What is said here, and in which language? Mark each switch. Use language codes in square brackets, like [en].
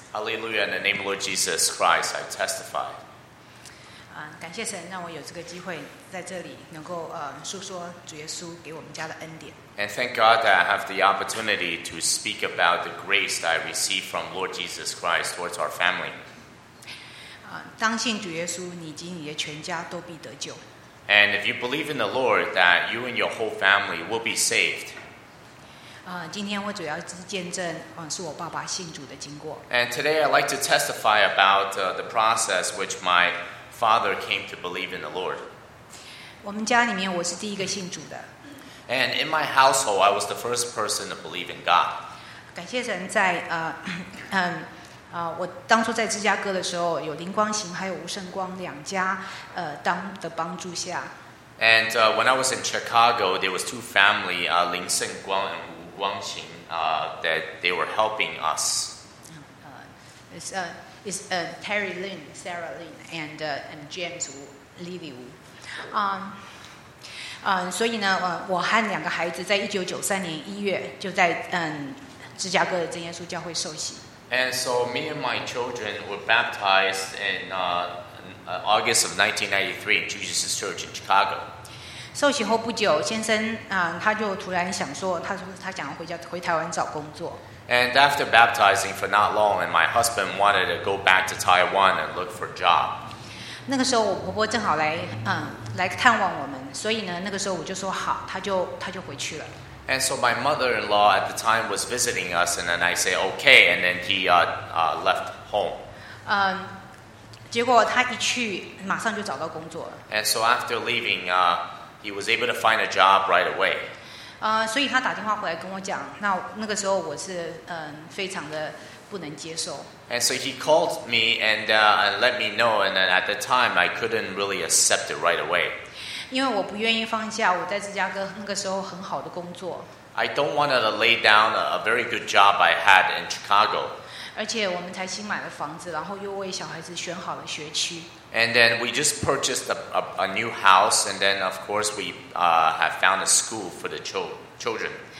[en] Hallelujah, in the name of Lord Jesus Christ, I testify. [zh] 感谢神让我有这个机会在这里能够述说主耶稣给我们家的恩典。 [en] And thank God that I have the opportunity to speak about the grace that I received from Lord Jesus Christ towards our family. [zh] 当信主耶稣，你及你的全家都必得救。 [en] And if you believe in the Lord, that you and your whole family will be saved. [zh] 今天我主要是见证，是我爸爸信主的经过。 [en] And today I'd like to testify about the process which my father came to believe in the Lord. [zh] 我们家里面我是第一个信主的。 [en] And in my household, I was the first person to believe in God. [zh] 感谢神在我当初在芝加哥的时候，有灵光行还有无圣光两家当的帮助下。 [en] And when I was in Chicago, there was two family, 灵圣光 and 无光行 that they were helping us. It's Terry Lin, Sarah Lin, and James Wu, Lily Wu. [zh] 所以呢，我和两个孩子在1993年1月就在芝加哥的真耶稣教会受洗。 [en] And so me and my children were baptized in August of 1993 in Jesus' Church in Chicago. [zh] 受洗后不久，先生他就突然想说，他说他想回台湾找工作。 [en] And after baptizing for not long, and my husband wanted to go back to Taiwan and look for a job. [zh] 那个时候我婆婆正好来探望我们，所以呢，那个时候我就说好，他就回去了。 [en] And so my mother-in-law at the time was visiting us, and then I say okay, and then he left home. [zh] 结果他一去，马上就找到工作了。 [en] And so after leaving, he was able to find a job right away. [zh] 所以他打电话回来跟我讲，那个时候我是非常的不能接受。 [en] And so he called me and let me know, and then at the time I couldn't really accept it right away. [zh] 因为我不愿意放下我在芝加哥那个时候很好的工作。 [en] I don't want to lay down a very good job I had in Chicago. [zh] 而且我们才新买了房子，然后又为小孩子选好了学区。 [en] And then we just purchased a new house, and then of course we have found a school for the children.